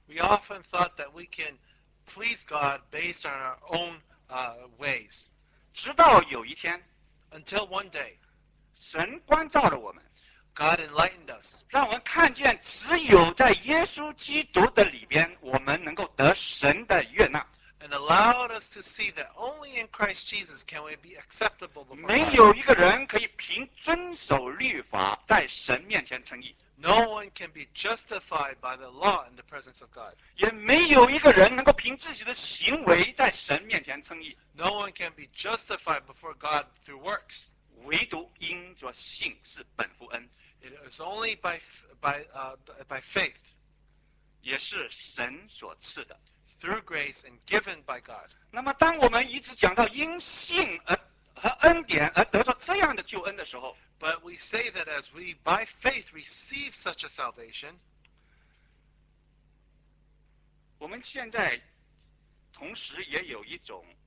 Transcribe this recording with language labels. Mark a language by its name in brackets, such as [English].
[English] We often thought that we can please God based on our own ways。 [Chinese] 直到有一天 [English] ，Until one day， [Chinese] 神光照了我们 [English] ，God enlightened us， [Chinese] 让我们看见只有在耶稣基督的里边，我们能够得神的悦纳。 [English] And allowed us to see that only in Christ Jesus can we be acceptable before God. [Chinese] 没有一个人可以凭遵守律法在神面前称义。 [English] No one can be justified by the law in the presence of God. [Chinese] 也没有一个人能够凭自己的行为在神面前称义。 [English] No one can be justified before God through works. [Chinese] 唯独因着信是本乎恩。 [English] It is only by faith. [Chinese] 也是神所赐的。 [English] Through grace and given by God. [Chinese] 那么当我们一直讲到因信而和恩典而得到这样的救恩的时候 [English] ，But we say that as we by faith receive such a salvation. [Chinese] 我们现在同时也有一种